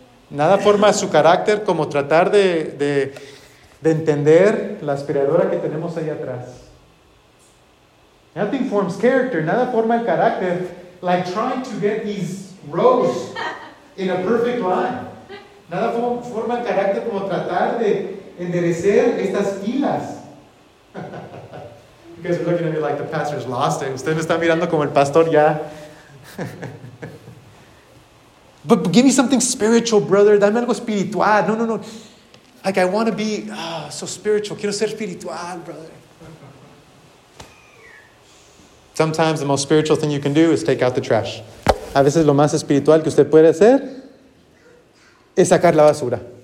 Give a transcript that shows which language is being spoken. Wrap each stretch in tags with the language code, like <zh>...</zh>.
<es>Nada forma su carácter como tratar de entender la aspiradora que tenemos ahí atrás.</es> <en>Nothing forms character.</en> <es>Nada forma el carácter</es> <en>like trying to get these rows in a perfect line.</en> <es>Nada forma el carácter como tratar de enderezar estas filas.</es> <en>You guys are looking at me like the pastor's lost it.</en> <es>Usted me está mirando como el pastor ya.</es> <en>But give me something spiritual, brother.</en> <es>Dame algo espiritual.</es> <en>No, no, no. Like, I want to be so spiritual.</en> <es>Quiero ser espiritual,</es> <en>brother. Sometimes the most spiritual thing you can do is take out the trash.</en> <es>A veces lo más espiritual que usted puede hacer es sacar la basura.</es>